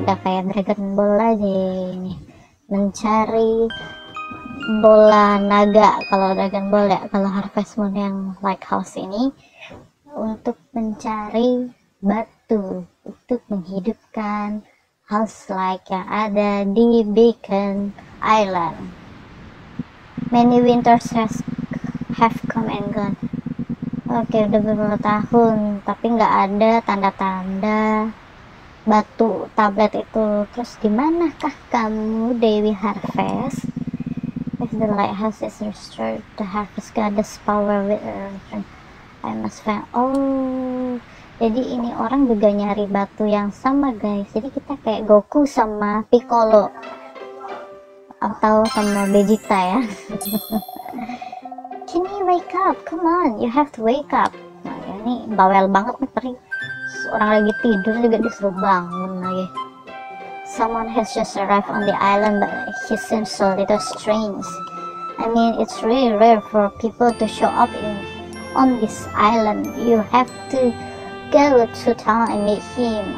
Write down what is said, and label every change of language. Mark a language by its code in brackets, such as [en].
[id] Udah kayak dragon ball aja ini, mencari bola naga kalau dragon ball ya, kalau harvest moon yang lighthouse ini, untuk mencari batu untuk menghidupkan house light yang ada di Beacon Island. [en] Many winters have come and gone. [id] Oke, udah beberapa tahun, tapi nggak ada tanda-tanda batu tablet itu. Terus di manakah kamu, Dewi Harvest? [en] If the lighthouse is restored, the harvest goddess power will return. I must find. [id] Oh, jadi ini orang juga nyari batu yang sama, guys. Jadi kita kayak Goku sama Piccolo atau sama Vegeta ya. [en] Can you wake up? Come on, you have to wake up. [id] Nah, ya ini bawel banget nih, perih. Orang lagi tidur juga disuruh bangun lagi. [en] Someone has just arrived on the island, but he seems a little strange. I mean, it's really rare for people to show up on this island. You have to go to town and meet him.